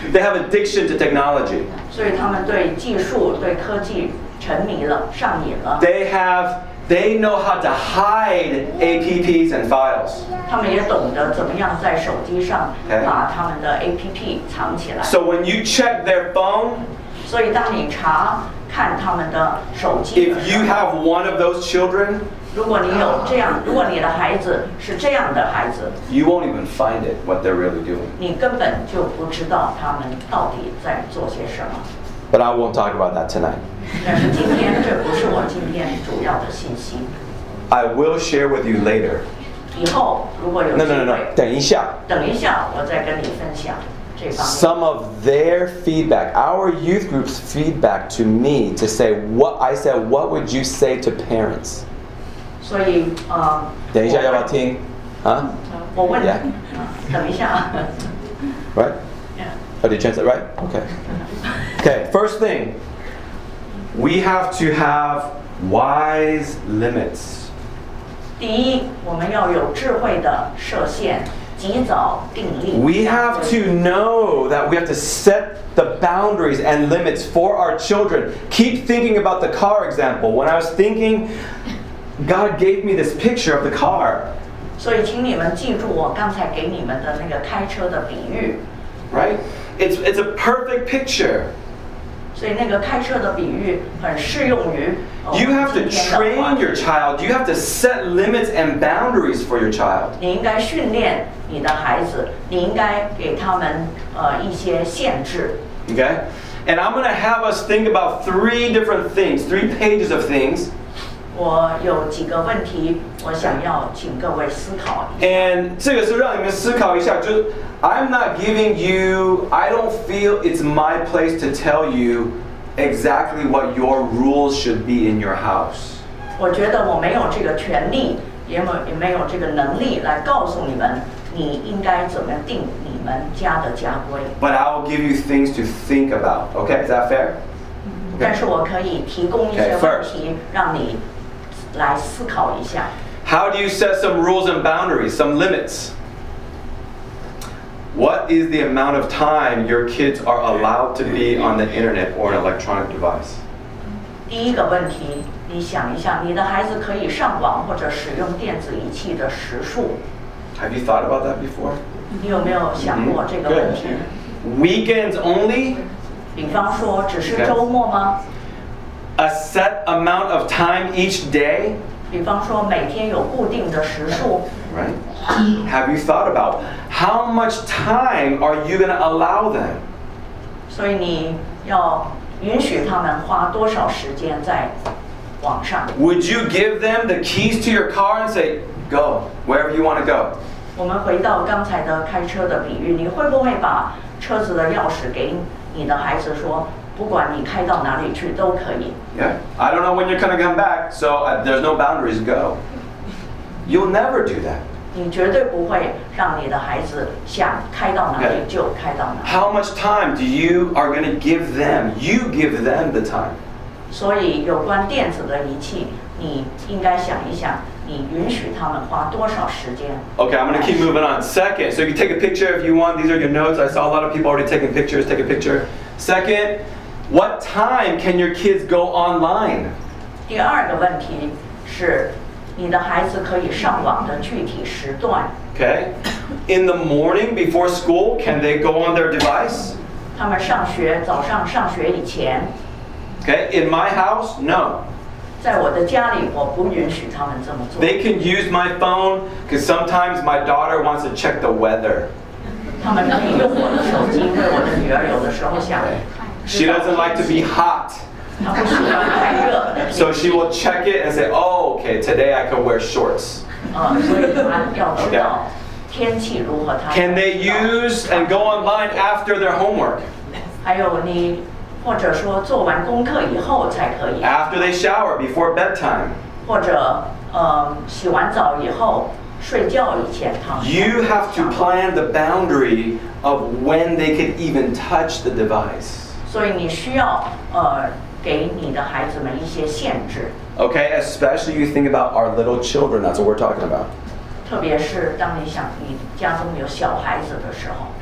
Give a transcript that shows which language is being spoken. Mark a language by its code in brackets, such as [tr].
[en] They have addiction to technology. [zh] 所以他们对技术、对科技沉迷了，上瘾了。 [en] They know how to hide apps and files. [zh] 他们也懂得怎么样在手机上把他们的 APP 藏起来。 [en] So when you check their phone, [zh] 所以当你查看他们的手机。 [en] If you have one of those children, [zh] 如果你有这样，如果你的孩子是这样的孩子， [en] you won't even find it what they're really doing. [zh] 你根本就不知道他们到底在做些什么。 [en] But I won't talk about that tonight. [zh] 但是今天这不是我今天主要的信息。 [en] I will share with you later. [zh] 以后如果有机会。 [en] No. [zh] 等一下。等一下，我再跟你分享。 [en] Some of their feedback, our youth group's feedback to me to say what I said, what would you say to parents? [zh] 所以等一下要不要听？我问你、 [en] yeah. [zh] 等一下。 [en] Right? Yeah. Oh, did you translate right? Okay, first thing, we have to have wise limits. [zh] 第一，我们要有智慧的设限。 [en] We have to know that we have to set the boundaries and limits for our children. Keep thinking about the car example. When I was thinking, God gave me this picture of the car. [zh] 所以请你们记住我刚才给你们的那个开车的比喻。 [en] Right? It's a perfect picture. [zh] 所以那个开车的比喻很适用于。 [en] You have to train your child. You have to set limits and boundaries for your child. [zh] 你应该训练你的孩子，你应该给他们一些限制。 [en] Okay, and I'm going to have us think about three different things, three pages of things. 我有几个问题，我想要请各位思考一下。 [zh] And 这个是让你们思考一下，就是 [en] I'm not giving you, I don't feel it's my place to tell you exactly what your rules should be in your house. [zh] 我觉得我没有这个权利，也没有这个能力来告诉你们你应该怎么定你们家的家规。 [en] But I will give you things to think about. Okay, is that fair? Okay. [zh] 但是我可以提供一些问题 okay, 让你来思考一下。 [en] How do you set some rules and boundaries, some limits? What is the amount of time your kids are allowed to be on the internet or an electronic device? [zh] 第一个问题，你想一下，你的孩子可以上网或者使用电子仪器的时数。 [en] Have you thought about that before? [zh] 你有没有想过这个问题？ [en] Weekends only? [zh] 比方说，只是周末吗？ [en] A set amount of time each day? [zh] 比方说每天有固定的时数 [en] Right. Have you thought about how much time are you going to allow them? [zh] 所以你要允许他们花多少时间在网上 [en] Would you give them the keys to your car and say, go, wherever you want to go? [zh] 我们回到刚才的开车的比喻，你会不会把车子的钥匙给你的孩子说不管你开到哪里去都可以。 [en] Yeah, I don't know when you're gonna come back, so there's no boundaries. Go. You'll never do that. [zh] 你绝对不会让你的孩子想开到哪里就开到哪里。 [en] How much time do you are gonna give them? You give them the time. [zh] 所以有关电子的仪器，你应该想一想，你允许他们花多少时间。 [en] Okay, I'm gonna keep moving on. Second, so you take a picture if you want. These are your notes. I saw a lot of people already taking pictures. Take a picture. Second, what time can your kids go online? [zh] 第二个问题是你的孩子可以上网的具体时段。 [en] Okay. In the morning before school, can they go on their device? [zh] 他们上学，早上上学以前。 [en] Okay. In my house, no. [zh] 在我的家里，我不允许他们这么做。 [en] They can use my phone because sometimes my daughter wants to check the weather. [zh] 他们可以用我的手机，因为我的女儿有的时候想。 [en] She doesn't like to be hot. [zh] 她不喜欢太热。 [en] So she will check it and say, "Oh, okay, today I can wear shorts." [zh] 所以她要知道天气如何。她 [en] Can they use and go online after their homework? [zh] 还有你或者说做完功课以后才可以。 [en] After they shower before bedtime. [zh] 或者洗完澡以后。 [en] You have to plan the boundary of when they can even touch the device. [zh] 所以你需要给你的孩子们一些限制。 [en] Okay, especially you think about our little children. That's what we're talking about. [zh] 特别是当你想你家中有小孩子的时候。